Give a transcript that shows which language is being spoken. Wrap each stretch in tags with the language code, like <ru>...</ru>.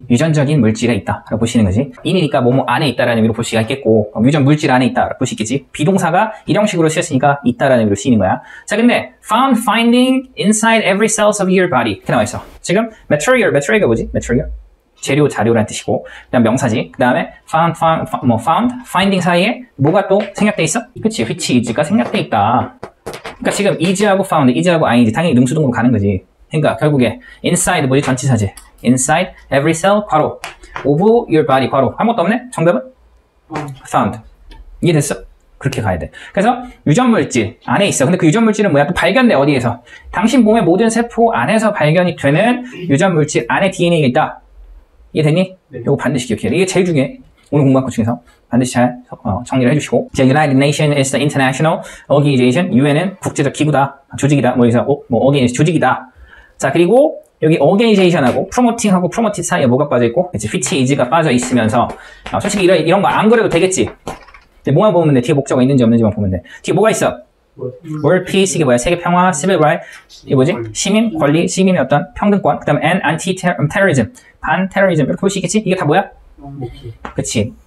<ko>유전적인 물질에 있다 라고 보시는 거지. 인이니까 뭐뭐 안에 있다라는 의미로 볼 수가 있겠고, 유전 물질 안에 있다 라고 볼 수 있겠지. 비동사가 이런 식으로 쓰였으니까 있다라는 의미로 쓰이는 거야.</ko> <en>자, 근데 found finding inside every cells of your body</en> <ko>이렇게 나와 있어. 지금 material, material가 뭐지? material 재료, 자료라는 뜻이고, 그 다음 명사지. 그 다음에 found finding 사이에 뭐가 또 생략돼 있어? 그치, which is가 생략돼 있다. 그러니까 지금 is하고 found, is하고 ing 당연히 능수동으로 가는 거지. 그러니까 결국에 inside 뭐지? 전치사지.</ko> <en>Inside every cell, 괄호. Of your body, 괄호.</en> <ko>아무것도 없네? 정답은?</ko> <en>Found.</en> <ko>이해됐어? 그렇게 가야 돼. 그래서 유전물질 안에 있어. 근데 그 유전물질은 뭐야? 또 발견돼. 어디에서? 당신 몸의 모든 세포 안에서 발견이 되는 유전물질 안에 DNA겠다. 이해됐니? 네. 이거 반드시 기억해야 돼. 이게 제일 중요해. 오늘 공부한 것 중에서. 반드시 잘 정리를 해주시고. 이제</ko> <en>United Nations is the international organization.</en> <ko>UN은 국제적 기구다. 조직이다. 뭐 여기서 organization 조직이다. 자, 그리고 여기 organization하고 promoting하고 promoted 사이에 뭐가 빠져있고 이제 which is가 빠져있으면서 솔직히 이런 거 안 그래도 되겠지. 뭐만 보면 돼. 뒤에 목적이 있는지 없는지만 보면 돼. 뒤에 뭐가 있어?</ko> <en>World peace,</en> <ko>이게 뭐야? 세계 평화,</ko> <en>civil rights,</en> <ko>이게 뭐지? 시민 권리, 시민의 어떤 평등권, 그 다음에</ko> <en>and anti-terrorism,</en> <ko>반테러리즘, 이렇게 볼 수 있겠지? 이게 다 뭐야? 그치.</ko>